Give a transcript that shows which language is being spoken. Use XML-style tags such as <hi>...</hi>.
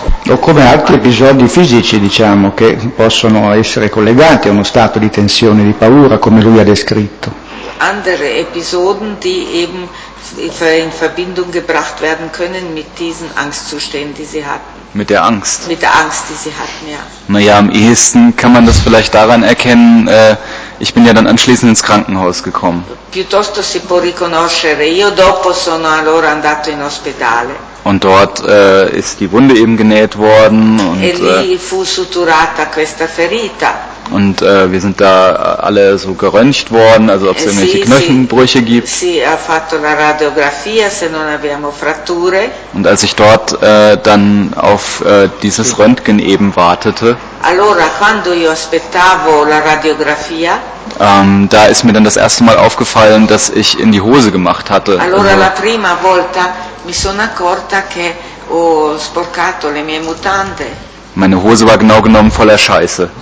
<it>O come altri episodi fisici, diciamo, che possono essere collegati a uno stato di tensione, di paura, come lui ha descritto.</it> <de>Andere Episoden, die eben in Verbindung gebracht werden können mit diesen Angstzuständen, die sie hatten. Mit der Angst? Mit der Angst, die sie hatten, ja. Naja, am ehesten kann man das vielleicht daran erkennen, ich bin ja dann anschließend ins Krankenhaus gekommen.</de> <it>Piuttosto si può riconoscere, io dopo sono allora andato in ospedale.</it> <de>Und dort ist die Wunde eben genäht worden. Und</de> <it>lì fu suturata questa ferita.</it> <de>Und wir sind da alle so geröntgt worden, also ob es irgendwelche Knochenbrüche gibt.</de> <it>Sì, ha fatto la radiografia, se non abbiamo fratture.</it> <de>Und als ich dort dann auf dieses Röntgen eben wartete,</de> <it>allora, quando io aspettavo la radiografia,</it> <de>da ist mir dann das erste Mal aufgefallen, dass ich in die Hose gemacht hatte.</de> <it>Allora, la prima volta mi sono accorta che ho sporcato le mie mutande.</it> <de>Meine Hose war genau genommen voller Scheiße.</de>